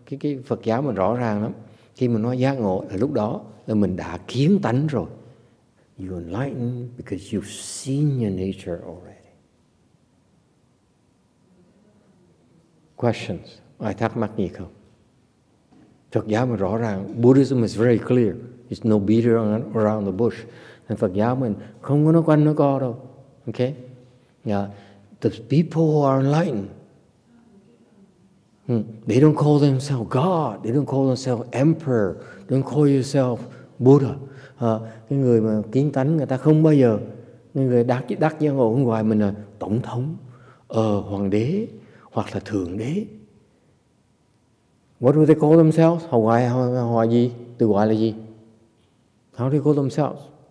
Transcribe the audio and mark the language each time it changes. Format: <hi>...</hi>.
<vi>Cái Phật giáo mình rõ ràng lắm. Khi mình nói giác ngộ là lúc đó là mình đã kiến tánh rồi.</vi> <en>You enlighten because you've seen your nature already. Questions?</en> <vi>Ai thắc mắc gì không? Phật giáo mình rõ ràng,</vi> <en>Buddhism is very clear. It's no beating around the bush.</en> <vi>And Phật giáo mình không có nói quanh nói co đâu.</vi> <en>Okay? Yeah. The people who are enlightened, they don't call themselves God. They don't call themselves emperor. Don't call yourself Buddha.</en> <vi>Cái người mà kiến tánh, người ta không bao giờ, người đắc giác ngộ ngoài mình là tổng thống, hoàng đế, hoặc là thượng đế.</vi> <en>What do they call themselves?</en> <vi>Họ gọi họ gì? Tự gọi là gì?</vi> <en>How do they call themselves?</en>